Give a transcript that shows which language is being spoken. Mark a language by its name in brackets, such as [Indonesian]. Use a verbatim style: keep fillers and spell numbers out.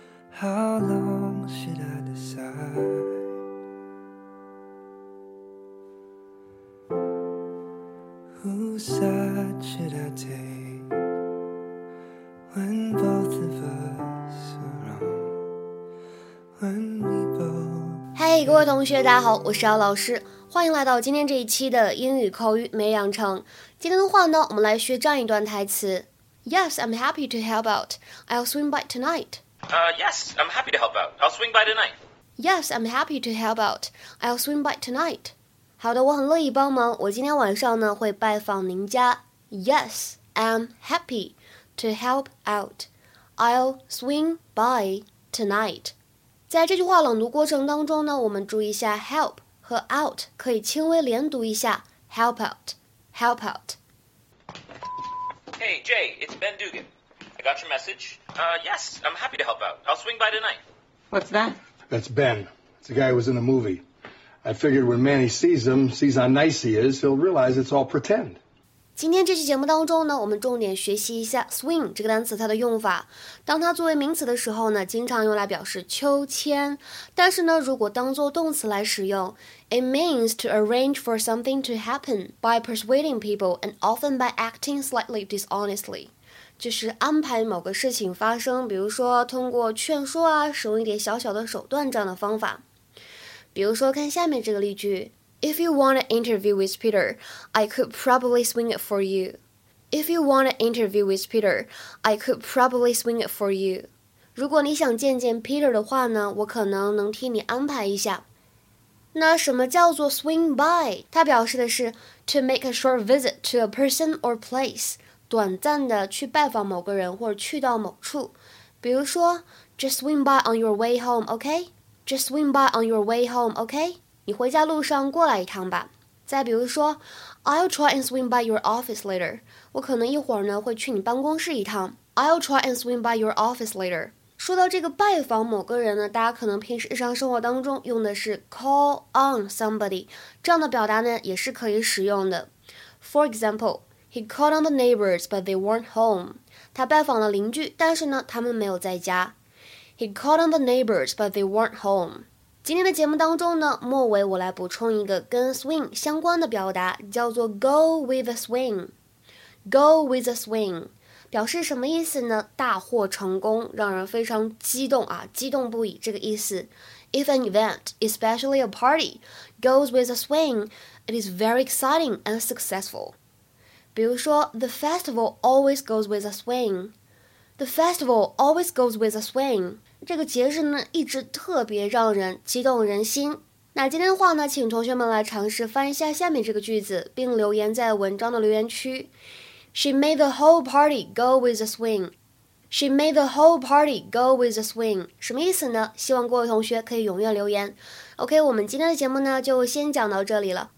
[English] How long should I decide? Whose side should I take when both of us are wrong? When we both... [Chinese] 嗨，各位同学，大家好，我是姚老师，欢迎来到今天这一期的英语口语每日养成。今天的话呢，我们来学这样一段台词。 [English] Yes, I'm happy to help out. I'll swing by tonight. Uh, yes, I'm happy to help out. I'll swing by tonight. Yes, I'm happy to help out. I'll swing by tonight. [Chinese] 好的，我很乐意帮忙，我今天晚上呢会拜访您家。 [English] Yes, I'm happy to help out. [Chinese] I'll swing by tonight. 在这句话朗读过程当中呢，我们注意一下 help 和 out 可以轻微连读一下 help out, help out. [English] Hey Jay, it's Ben Dugan. I got your message. Uh, yes, I'm happy to help out. I'll swing by tonight. What's that? That's Ben. It's the guy who was in the movie. I figured when Manny sees him, sees how nice he is, he'll realize it's all pretend. [Chinese] 今天这期节目当中呢，我们重点学习一下 swing 这个单词它的用法。当它作为名词的时候呢，经常用来表示秋千。 [English] 但是呢，如果当作动词来使用，it means to arrange for something to happen by persuading people and often by acting slightly dishonestly. [Chinese] 就是安排某个事情发生，比如说通过劝说啊，使用一点小小的手段这样的方法。 [English] 比如说看下面这个例句 If you want an interview with Peter, I could probably swing it for you. If you want an interview with Peter, I could probably swing it for you. [Chinese] 如果你想见见 Peter 的话呢，我可能能替你安排一下。 [English] 那什么叫做 swing by? 它表示的是 to make a short visit to a person or place. [Chinese] 短暂的去拜访某个人或者去到某处。 [English] 比如说 Just swing by on your way home, okay? Just swing by on your way home, okay? [Chinese] 你回家路上过来一趟吧。 [English] 再比如说 I'll try and swing by your office later. [Chinese] 我可能一会儿呢会去你办公室一趟。 [English] I'll try and swing by your office later. [Chinese] 说到这个拜访某个人呢，大家可能平时日常生活当中用的是 call on somebody. 这样的表达呢也是可以使用的。 [English] For example, he called on the neighbors, but they weren't home. [Chinese] 他拜访了邻居，但是呢他们没有在家。 [English] He called on the neighbors, but they weren't home. [Chinese] 今天的节目当中呢，末尾我来补充一个跟 swing 相关的表达，叫做 go with a swing. Go with a swing 表示什么意思呢？大获成功，让人非常激动啊，激动不已这个意思。 [English] If an event, especially a party, goes with a swing, it is very exciting and successful. 比如说 the festival always goes with a swing. The festival always goes with a swing. [Chinese] 这个节日呢一直特别让人激动人心。那今天的话呢，请同学们来尝试翻一下下面这个句子，并留言在文章的留言区。 [English] She made the whole party go with a swing. She made the whole party go with a swing. [Chinese] 什么意思呢？希望各位同学可以踊跃留言。OK， 我们今天的节目呢就先讲到这里了。